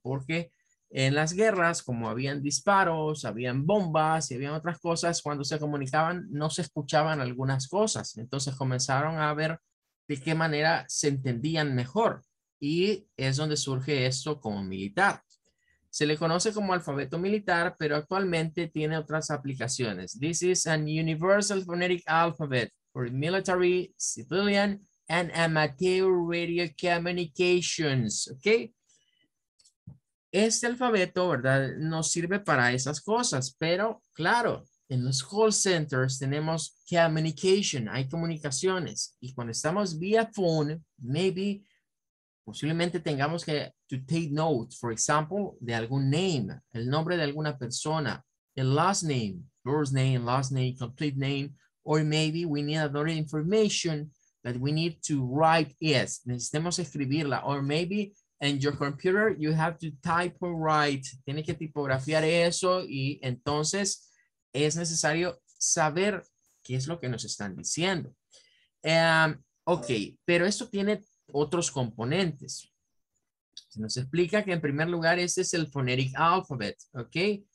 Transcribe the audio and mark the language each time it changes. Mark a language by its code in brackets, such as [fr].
[es] Porque en las guerras, como habían disparos, habían bombas y habían otras cosas, cuando se comunicaban no se escuchaban algunas cosas. Entonces comenzaron a ver de qué manera se entendían mejor. Y es donde surge esto como militar. Se le conoce como alfabeto militar, pero actualmente tiene otras aplicaciones. [en] This is an universal phonetic alphabet for military, civilian, and amateur radio communications. [es] ¿Ok? Este alfabeto, ¿verdad? Nos sirve para esas cosas, pero claro, en los call centers tenemos communication, hay comunicaciones. Y cuando estamos vía [en] phone, maybe [es] posiblemente tengamos que [en] to take notes, for example, [es] de algún [en] name, [es] el nombre de alguna persona, el [en] last name, first name, last name, complete name, or maybe we need another information that we need to write. Yes, [es] necesitamos escribirla, [en] or maybe in your computer you have to type or write. [es] Tiene que tipografiar eso y entonces es necesario saber qué es lo que nos están diciendo. Okay, pero esto tiene otros componentes. Se nos explica que en primer lugar este es el phonetic alphabet, ¿ok?